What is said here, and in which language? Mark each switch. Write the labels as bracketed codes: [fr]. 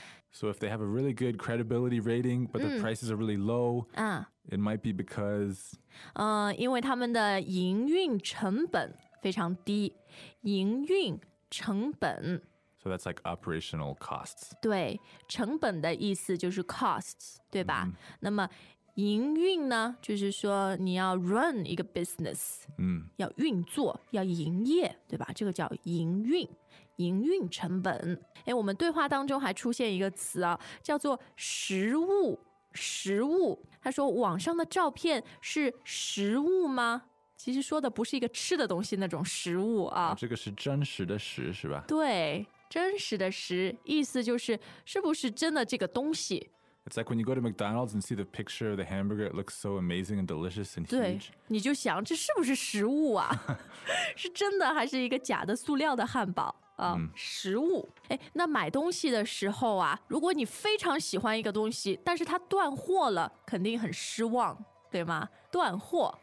[en] So if they have a really good credibility rating, but the prices are really low, it might be because... [zh] 因为他们的营运成本非常低。营运成本。 [en] So that's like operational costs. [zh] 对,成本的意思就是 costs, 对吧? 那么营运呢,就是说你要 run 一个 business, 要运作,要营业,对吧?这个叫营运。营运成本，我们对话当中还出现一个词啊，叫做实物，实物。他说网上的照片是实物吗？其实说的不是一个吃的东西那种实物啊。这个是真实的实是吧？对，真实的实，意思就是是不是真的这个东西。 [en] It's like when you go to McDonald's and see the picture of the hamburger, it looks so amazing and delicious and huge. [zh] 对，你就想这是不是实物啊？是真的还是一个假的塑料的汉堡？食物。那买东西的时候啊，如果你非常喜欢一个东西，但是它断货了，肯定很失望，对吗？断货。